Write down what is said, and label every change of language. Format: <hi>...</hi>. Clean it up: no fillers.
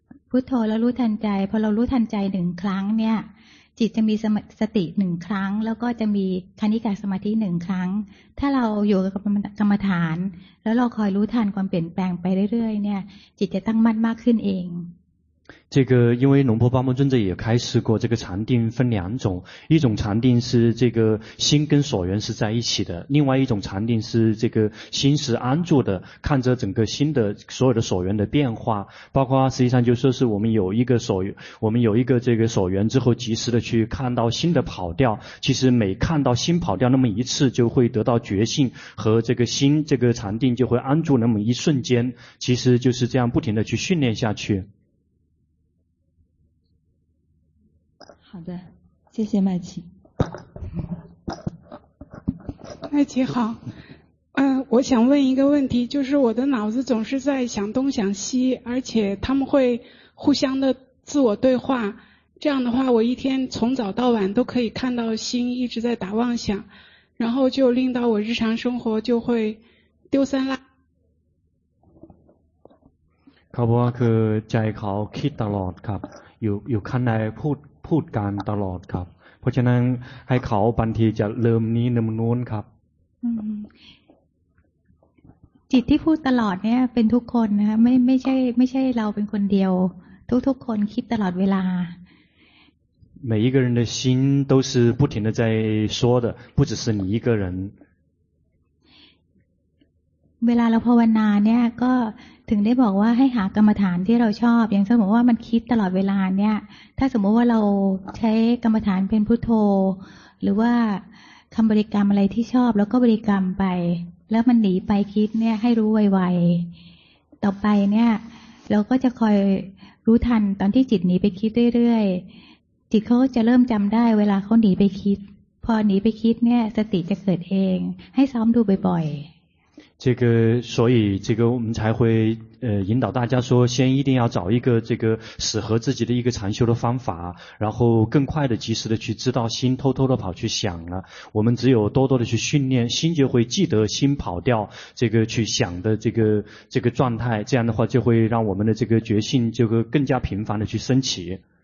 <th>พุทโธแล้วรู้ทันใจพอเรารู้ทันใจหนึ่งครั้งเนี่ยจิตจะมีสติหนึ่งครั้งแล้วก็จะมีคณิกาสมาธิหนึ่งครั้งถ้าเราอยู่กับกรรมฐานแล้วเราคอยรู้ทันความเปลี่ยนแปลงไปเรื่อยๆเนี่ยจิตจะตั้งมั่นมากขึ้นเอง</th> <zh>这个因为龙婆巴门尊者也开示过，这个禅定分两种，一种禅定是这个心跟所缘是在一起的，另外一种禅定是这个心是安住的，看着整个心的所有的所缘的变化，包括实际上就是说是我们有一个这个所缘之后，及时的去看到心的跑掉，其实每看到心跑掉那么一次，就会得到觉性和这个心这个禅定就会安住那么一瞬间，其实就是这样不停的去训练下去。好的，谢谢麦琪。麦琪好，我想问一个问题，就是我的脑子总是在想东想西，而且他们会互相的自我对话，这样的话我一天从早到晚都可以看到心一直在打妄想，然后就令到我日常生活就会丢三落。</zh> <th>ครับว่าคือใจเขาคิดตลอดครับอยู่ข้างในพูดการตลอดครับเพราะฉะนั้นให้เขาบางทีจะลืมนี้ลืมนู้นครับ จิตที่พูดตลอดเนี่ยเป็นทุกคนนะไม่ใช่เราเป็นคนเดียวทุกคนคิดตลอดเวลา</th> <zh>每一个人的心都是不停的在说的不只是你一个人</zh> <th>เวลาเราภาวนาเนี่ยก็ถึงได้บอกว่าให้หากรรมฐานที่เราชอบอย่างสมมติว่ามันคิดตลอดเวลาเนี่ยถ้าสมมติว่าเราใช้กรรมฐานเป็นพุทโธหรือว่าคำบริกรรมอะไรที่ชอบแล้วก็บริกรรมไปแล้วมันหนีไปคิดเนี่ยให้รู้ไวๆต่อไปเนี่ยเราก็จะคอยรู้ทันตอนที่จิตหนีไปคิดเรื่อยๆจิตเขาก็จะเริ่มจำได้เวลาเขาหนีไปคิดพอหนีไปคิดเนี่ยสติจะเกิดเองให้ซ้อมดูบ่อยๆ</th> <zh>这个所以这个我们才会引导大家说先一定要找一个这个适合自己的一个禅修的方法，然后更快的及时的去知道心偷偷的跑去想了，我们只有多多的去训练心就会记得心跑掉这个去想的这个状态，这样的话就会让我们的这个觉性就会更加频繁的去升起。</zh>